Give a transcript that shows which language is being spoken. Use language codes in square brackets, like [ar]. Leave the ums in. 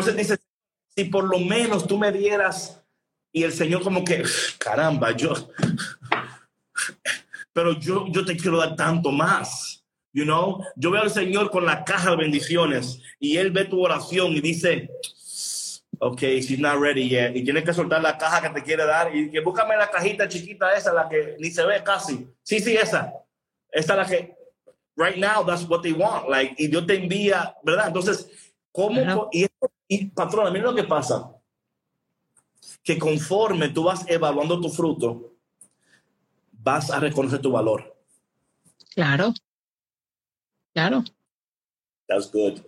[es] entonces dices, si por lo menos tú me dieras y el Señor como que, caramba, yo, pero yo, yo te quiero dar tanto más. [en] You know, [es] yo veo al Señor con la caja de bendiciones y él ve tu oración y dice, ok, [en] she's not ready yet. [es] Y tienes que soltar la caja que te quiere dar y que búscame la cajita chiquita esa, la que ni se ve casi. Sí, sí, esa. Esta la que, [en] right now, that's what they want. Like, [es] y yo te envía, ¿verdad? Entonces, ¿cómo? Claro. Y, y patrón, mira lo que pasa. Que conforme tú vas evaluando tu fruto, vas a reconocer tu valor. Claro. Claro. [en] That's good.